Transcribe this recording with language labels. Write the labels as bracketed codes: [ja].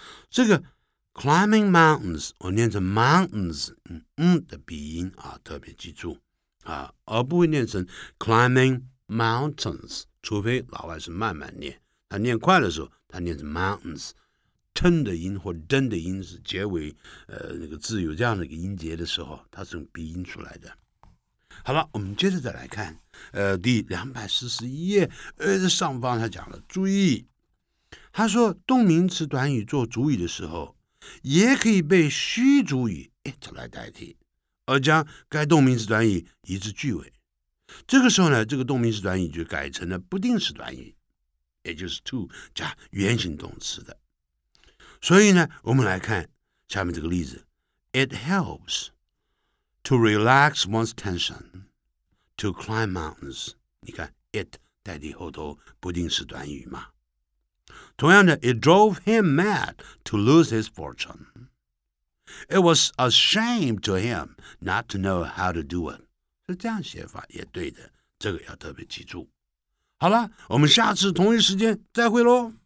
[zh] 这个 climbing mountains, 我念成 mountains, 的鼻音啊，特别记住啊，而不会念成 climbing mountains, 除非老外是慢慢念，他念快的时候他念成 mountains, 吞的音或噔的音是结尾那个字有这样的一个音节的时候，它是用鼻音出来的。好了，我们接着再来看第241页上方，他讲了注意。他说动名词短语做主语的时候也可以被虚主语 it 来代替，而将该动名词短语移至句尾。这个时候呢，这个动名词短语就改成了不定式短语，也就是 to 加原形动词的。所以呢，我们来看下面这个例子。 [en] It helps to relax one's tension to climb mountains. [zh] 你看 it 代替后头不定式短语嘛。同样的 [en] ,it drove him mad to lose his fortune. It was a shame to him not to know how to do it. [zh] 是这样写法也对的，这个要特别记住。好了，我们下次同一时间再会咯。